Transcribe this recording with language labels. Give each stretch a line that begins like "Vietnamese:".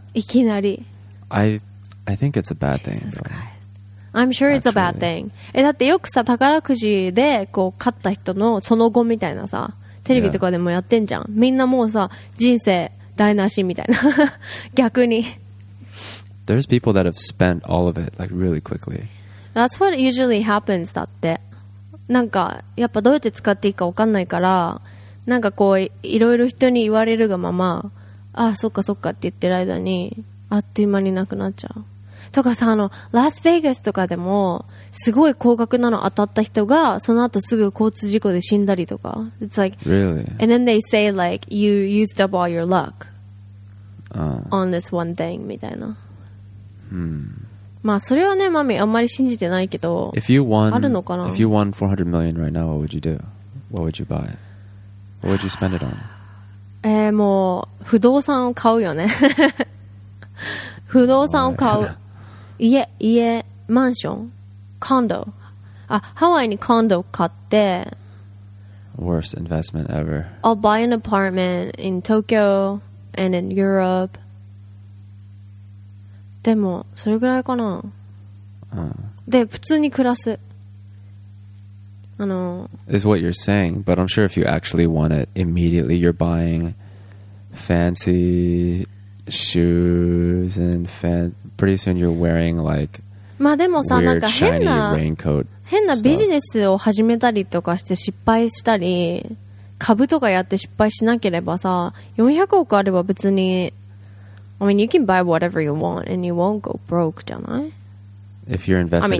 Japanese: いきなり。
English: I think it's a bad Jesus thing. Jesus Christ. I'm sure it's、Actually. a bad thing.
Japanese: え、だってよくさ、宝くじでこう買った人のその後みたいなさ、テレビとかでもやってんじゃん。
English: Yeah.
Japanese: みんなもうさ、人生台無しみたいな。逆に。
English: There's people that have spent all of it, like really quickly. That's what usually happens,
Japanese: だって。なんかやっぱどうやって使っていいか分かんないから、なんかこう いろいろ人に言われるがまま、あそっかそっかって言ってる間にあっという間になくなっちゃうとかさ、あのラスベガスとかでもすごい高額なの当たった人がその後すぐ交通事故で死んだりとか。
English: It's like Really? And then they say like you used up all your luck on this one thing
Japanese: みたいな。まあそれはね、マミあんまり信じてないけど。
English: If you won,
Japanese: あるのかな。
English: If you won 400 million right now, what would you do? What would you buy? What would you spend it on?
Japanese: もう不動産を買うよね。不動産を買う。家、家、マンション、コンド。あ、ハワイにコンド買って。
English: Worst investment ever. I'll buy an apartment in Tokyo and in Europe.
Japanese: でもそれぐらいかな。で普通に暮らす。あの。
English: Is what you're saying, but I'm sure if you actually want it immediately, you're buying fancy shoes and pretty soon you're wearing like.
Japanese: まあでもさ、なんか変な。
English: Raincoat.
Japanese: 変なビジネスを始めたりとかして失敗したり、株とかやって失敗しなければさ、400億あれば別に、
English: I mean, you can buy whatever you want and you won't go broke,
Japanese: じゃない?
English: If you're invested